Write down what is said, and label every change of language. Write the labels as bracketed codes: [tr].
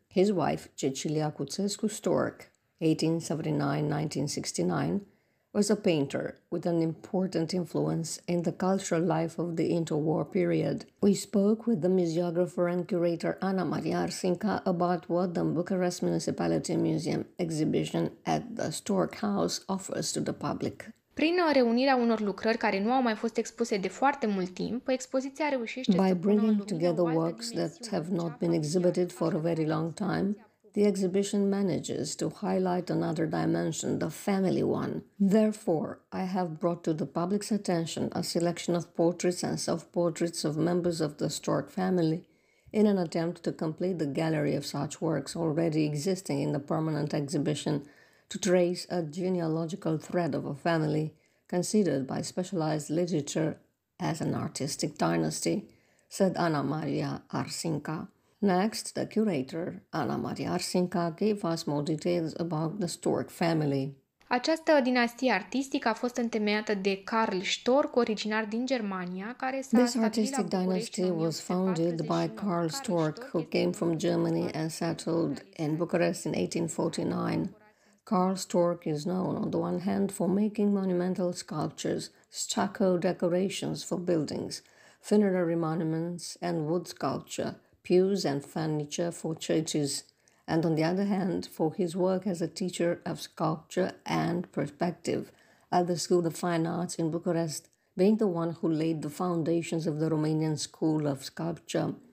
[en] His wife, Cecilia Cuțescu Stork, 1879-1969, was a painter with an important influence in the cultural life of the interwar period. We spoke with the museographer and curator Ana Maria Arsinca about what the Bucharest Municipality Museum exhibition at the Stork House offers to the public. [ro] Prin reunirea unor lucrări care nu au mai fost expuse de foarte mult timp, expoziția reușește să [en] By bringing together works that have not been exhibited for a very long time, the exhibition manages to highlight another dimension, the family one. Therefore, I have brought to the public's attention a selection of portraits and self-portraits of members of the Stork family in an attempt to complete the gallery of such works already existing in the permanent exhibition, to trace a genealogical thread of a family considered by specialized literature as an artistic dynasty, said Ana Maria Arsinca. Next, the curator, Ana Maria Arsinca, gave us more details about the Stork family. [ro] Această dinastie artistică a fost întemeiată de Carl Stork, originar din Germania, care s-a [en] This artistic dynasty was founded by Carl Stork, who came from Germany and settled in Bucharest in 1849. Carl Stork is known, on the one hand, for making monumental sculptures, stucco decorations for buildings, funerary monuments and wood sculpture, pews and furniture for churches, and on the other hand, for his work as a teacher of sculpture and perspective at the School of Fine Arts in Bucharest, being the one who laid the foundations of the Romanian School of Sculpture.